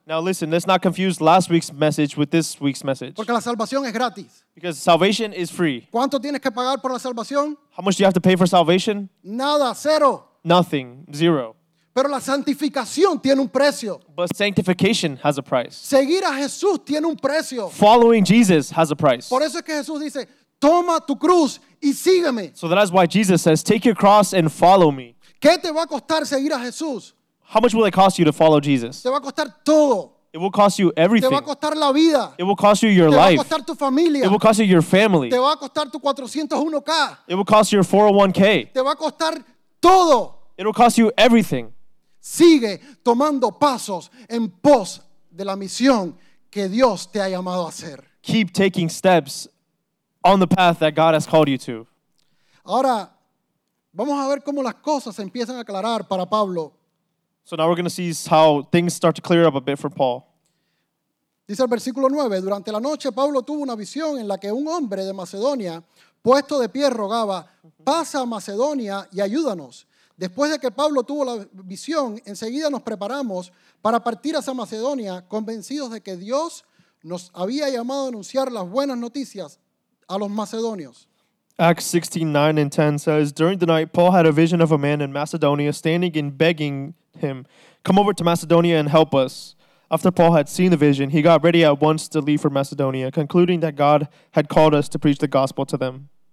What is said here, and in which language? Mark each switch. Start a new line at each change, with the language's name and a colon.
English: Now listen, let's not confuse last week's message with this week's message.
Spanish: Porque la salvación es gratis.
English: Because salvation is free.
Spanish: ¿Cuánto tienes que pagar por la salvación?
English: How much do you have to pay for salvation?
Spanish: Nada, cero.
English: Nothing, zero.
Spanish: Pero la santificación tiene un precio.
English: But sanctification has a price.
Spanish: Seguir a Jesús tiene un precio.
English: Following Jesus has a price.
Spanish: Por eso es que Jesús dice, toma tu cruz y sígueme.
English: So that is why Jesus says, take your cross and follow me.
Spanish: ¿Qué te va a costar seguir a Jesús?
English: How much will it cost you to follow Jesus?
Spanish: Te va a costar todo.
English: It will cost you everything.
Spanish: Te va a costar la vida.
English: It will cost you your life.
Spanish: Te va a costar tu familia.
English: It will cost you your family.
Spanish: Te va a costar tu 401k.
English: It will cost you your 401k.
Spanish: Te va a costar todo.
English: It will cost you everything.
Spanish: Sigue tomando pasos en pos de la misión que Dios te ha llamado a hacer.
English: Keep taking steps on the path that God has called you to.
Spanish: Ahora, vamos a ver cómo las cosas empiezan a aclarar para Pablo.
English: So now we're going to see how things start to clear up a bit for Paul.
Spanish: Dice el versículo 9, durante la noche Pablo tuvo una visión en la que un hombre de Macedonia, puesto de pie, rogaba, pasa a Macedonia y ayúdanos. Después de que Pablo tuvo la visión, enseguida nos preparamos para partir hacia Macedonia, convencidos de que Dios nos había llamado a anunciar las buenas noticias a los macedonios.
English: Acts 16:9-10 says, during the night, Paul had a vision of a man in Macedonia standing and begging him, come over to Macedonia and help us. After Paul had seen the vision, he got ready at once to leave for Macedonia, concluding that God had called us to preach the gospel to them.